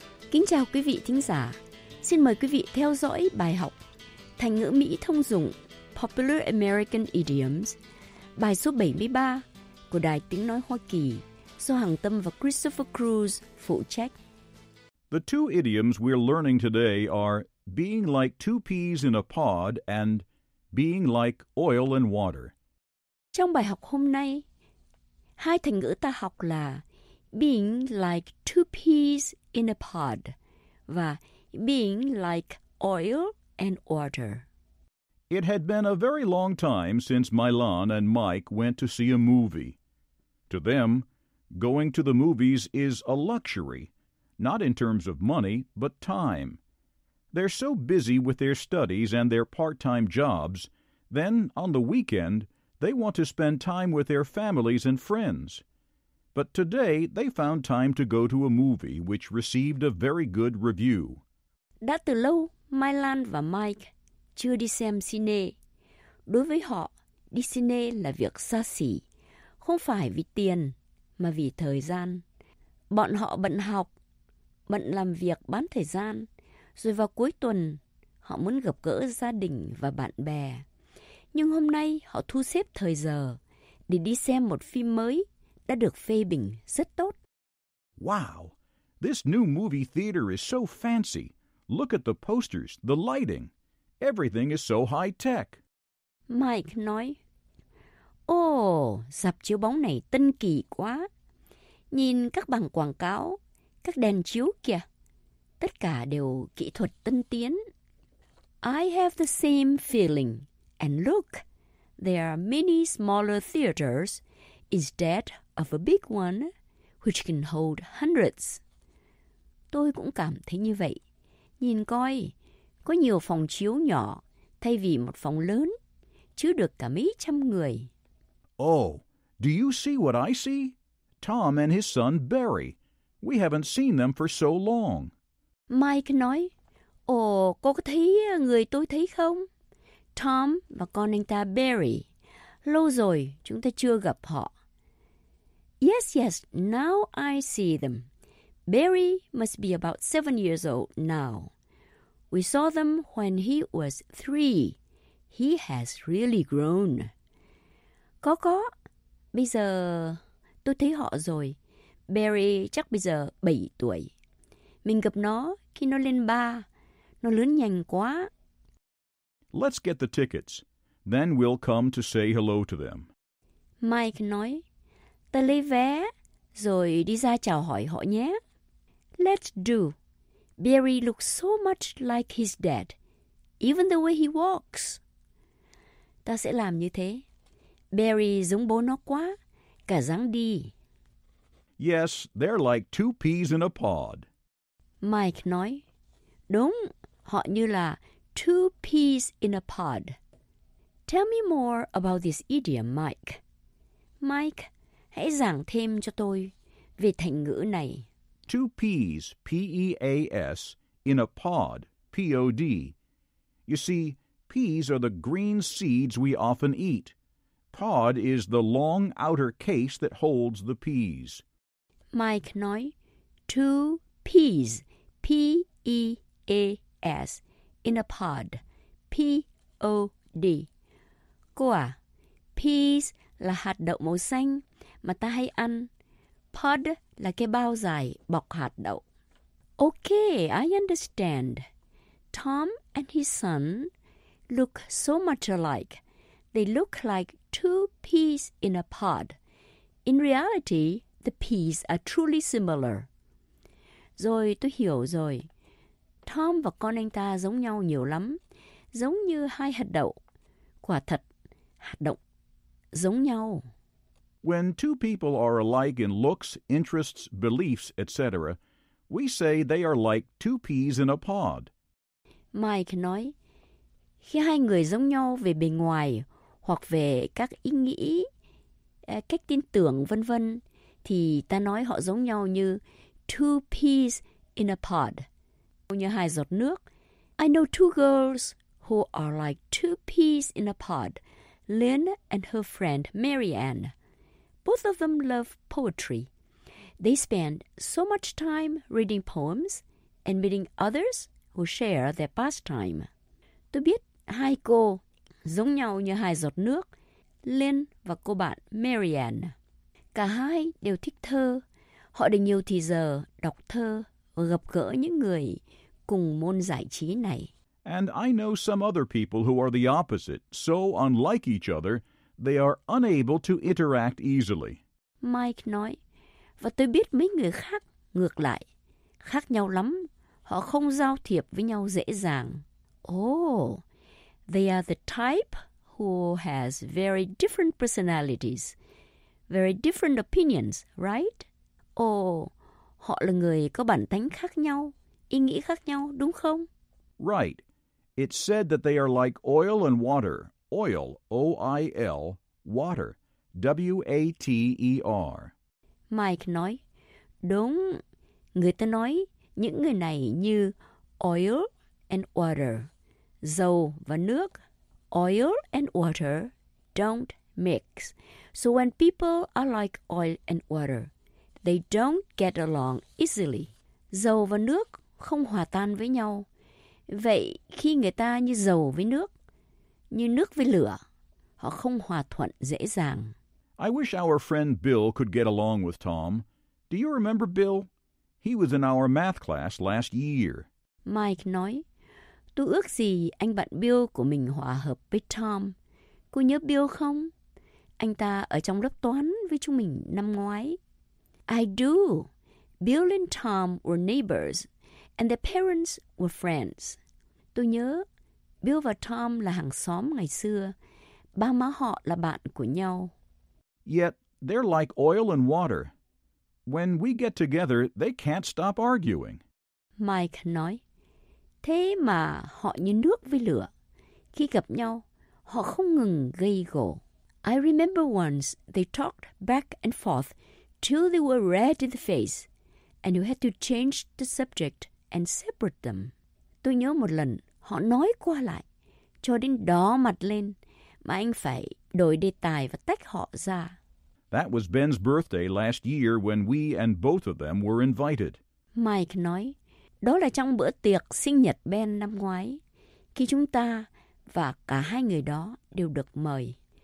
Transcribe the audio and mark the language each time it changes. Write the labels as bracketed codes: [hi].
[vi] Kính chào quý vị thính giả. Xin mời quý vị theo dõi bài học Thành ngữ Mỹ thông dụng [en] Popular American Idioms, [vi] bài số 73 của Đài Tiếng Nói Hoa Kỳ, do Hằng Tâm và Christopher Cruz phụ trách. [en] The two idioms we're learning today are being like two peas in a pod and being like oil and water. [vi] Trong bài học hôm nay, hai thành ngữ ta học là [en] being like two peas in a pod [vi] và [en] being like oil and water. It had been a very long time since Milan and Mike went to see a movie. To them, going to the movies is a luxury, not in terms of money, but time. They're so busy with their studies and their part-time jobs, then, on the weekend, they want to spend time with their families and friends. But today, they found time to go to a movie which received a very good review. [vi] Đã từ lâu, Milan và Mike chưa đi xem cine. Đối với họ, đi cine là việc xa xỉ, không phải vì tiền, mà vì thời gian. Bọn họ bận học, bận làm việc bán thời gian, rồi vào cuối tuần, họ muốn gặp gỡ gia đình và bạn bè. Nhưng hôm nay, họ thu xếp thời giờ để đi xem một phim mới đã được phê bình rất tốt. [en] Wow! This new movie theater is so fancy. Look at the posters, the lighting. Everything is so high tech. [vi] Mike nói, dạp chiếu bóng này tân kỳ quá. Nhìn các bảng quảng cáo, các đèn chiếu kìa. Tất cả đều kỹ thuật tân tiến. [en] I have the same feeling. And look, there are many smaller theaters instead of a big one, which can hold hundreds. [vi] Tôi cũng cảm thấy như vậy. Nhìn coi, có nhiều phòng chiếu nhỏ thay vì một phòng lớn, chứa được cả mấy trăm người. [en] Oh, do you see what I see? Tom and his son Barry. We haven't seen them for so long. [vi] Mike nói, cô có thấy người tôi thấy không? Tom và con anh ta Barry. Lâu rồi chúng ta chưa gặp họ. [en] Yes, yes, now I see them. Barry must be about 7 years old now. We saw them when he was 3. He has really grown. [vi] Có. Bây giờ tôi thấy họ rồi. Barry chắc bây giờ 7 tuổi. Mình gặp nó khi nó lên 3. Nó lớn nhanh quá. [en] Let's get the tickets. Then we'll come to say hello to them. [vi] Mike nói, ta lấy vé, rồi đi ra chào hỏi họ nhé. [en] Let's do. Barry looks so much like his dad, even the way he walks. [vi] Ta sẽ làm như thế. Barry giống bố nó quá, cả dáng đi. [en] Yes, they're like two peas in a pod. [vi] Mike nói, đúng, họ như là [en] two peas in a pod. Tell me more about this idiom, Mike. [vi] Mike, hãy giảng thêm cho tôi về thành ngữ này. [en] Two peas, P-E-A-S, in a pod, P-O-D. You see, peas are the green seeds we often eat. Pod is the long outer case that holds the peas. [vi] Mike nói, [en] two peas, P-E-A-S, in a pod, P-O-D. [vi] Cô à, peas là hạt đậu màu xanh mà ta hay ăn. Pod là cái bao dài bọc hạt đậu. [en] Okay, I understand. Tom and his son look so much alike. They look like two peas in a pod. In reality, the peas are truly similar. [vi] Rồi, tôi hiểu rồi. Tom và con anh ta giống nhau nhiều lắm. Giống như hai hạt đậu. Quả thật, hạt đậu giống nhau. [en] When two people are alike in looks, interests, beliefs, etc., we say they are like two peas in a pod. [vi] Mike nói, khi hai người giống nhau về bề ngoài hoặc về các ý nghĩ, cách tin tưởng, vân vân, thì ta nói họ giống nhau như [en] two peas in a pod, [vi] như hai giọt nước. [en] I know two girls who are like two peas in a pod, Lynn and her friend Marianne. Both of them love poetry. They spend so much time reading poems and meeting others who share their pastime. [vi] Tôi biết hai cô giống nhau như hai giọt nước, Lynn và cô bạn Marianne. Cả hai đều thích thơ. Họ dành nhiều thời giờ đọc thơ và gặp gỡ những người cùng môn giải trí này. [en] And I know some other people who are the opposite, so unlike each other, they are unable to interact easily. [vi] Mike nói, và tôi biết mấy người khác ngược lại. Khác nhau lắm, họ không giao thiệp với nhau dễ dàng. [en] Oh, they are the type who has very different personalities, very different opinions, right? [vi] Oh, họ là người có bản tánh khác nhau, ý nghĩ khác nhau, đúng không? [en] Right. It's said that they are like oil and water. Oil, O-I-L, water, W-A-T-E-R. [vi] Mike nói, đúng, người ta nói những người này như [en] oil and water, [vi] dầu và nước. [en] Oil and water don't mix. So when people are like oil and water, they don't get along easily. [vi] Dầu và nước không hòa tan với nhau. Vậy khi người ta như dầu với nước, như nước với lửa, họ không hòa thuận dễ dàng. [en] I wish our friend Bill could get along with Tom. Do you remember Bill? He was in our math class last year. [vi] Mike nói, tôi ước gì anh bạn Bill của mình hòa hợp với Tom. Cô nhớ Bill không? Anh ta ở trong lớp toán với chúng mình năm ngoái. [en] I do. Bill and Tom were neighbors, and their parents were friends. [vi] Tôi nhớ, Bill và Tom là hàng xóm ngày xưa. Ba má họ là bạn của nhau. [en] Yet, they're like oil and water. When we get together, they can't stop arguing. [vi] Mike nói, thế mà họ như nước với lửa. Khi gặp nhau, họ không ngừng gây gổ. [en] I remember once they talked back and forth till they were red in the face, and you had to change the subject and separate them. [vi] Tôi nhớ một lần, họ nói qua lại, cho đến đỏ mặt lên, mà anh phải đổi đề tài và tách họ ra. [en] That was Ben's birthday last year when we and both of them were invited. [vi] Mike nói, đó là trong bữa tiệc sinh nhật Ben năm ngoái, khi chúng ta và cả hai người đó đều được mời.